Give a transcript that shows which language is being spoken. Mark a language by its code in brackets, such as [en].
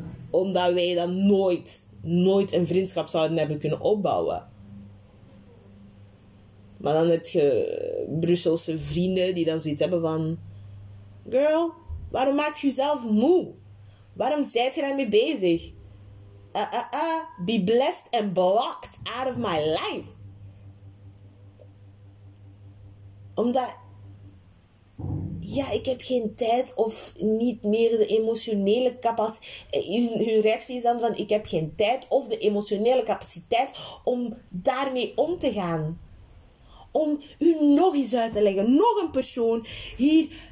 [nl] Omdat wij dan nooit een vriendschap zouden hebben kunnen opbouwen. Maar dan heb je Brusselse vrienden die dan zoiets hebben van... Girl, waarom maak je jezelf moe? Waarom zijt je daarmee bezig? [en] Be blessed and blocked out of my life. [nl] Omdat... Ja, ik heb geen tijd of niet meer de emotionele capaciteit. Hun reactie is dan van, ik heb geen tijd of de emotionele capaciteit om daarmee om te gaan. Om u nog eens uit te leggen. Nog een persoon hier.